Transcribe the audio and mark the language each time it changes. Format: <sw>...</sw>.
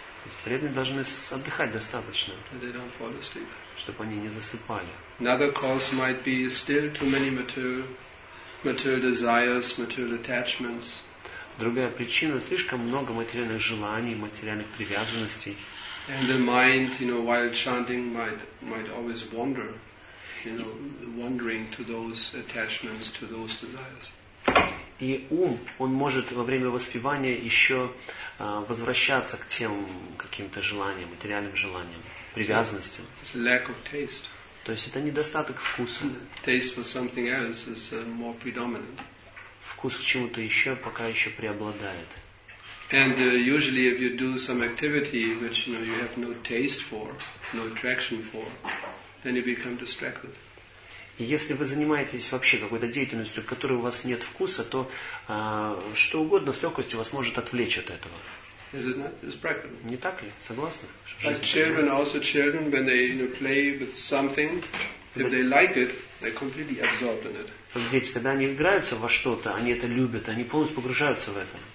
<ru>То есть преданные должны отдыхать достаточно,</ru> <en>they don't fall asleep.</en> <ru>Чтобы они не засыпали.</ru> <en>Another cause might be still too many material desires, material attachments.</en> <ru>Другая причина – слишком много материальных желаний, материальных привязанностей.</ru> <en>And the mind, you know, while chanting might always wander, you know, wandering to those attachments, to those desires.</en> <ru>И ум, он может во время воспевания еще возвращаться к тем каким-то желаниям, материальным желаниям, привязанностям.</ru> <en>It's a lack of taste.</en> <ru>То есть это недостаток вкуса.</ru> <en>Taste for something else is more predominant.</en> <ru>Вкус к чему-то еще пока еще преобладает.</ru> <en>And usually if you do some activity which you know you have no taste for, no attraction for, then you become distracted.</en> <ru>Если вы занимаетесь вообще какой-то деятельностью, в которой у вас нет вкуса, то что угодно с легкостью вас может отвлечь от этого.</ru> <en>Is it not? It's practical.</en> <ru>Не так ли? Согласны?</ru> <en>Like children, also children, when they you know, play with something, if they like it, they're completely absorbed in it.</en> <ru>Как дети, когда они играются во что-то, они это любят, они полностью погружаются в это.</ru>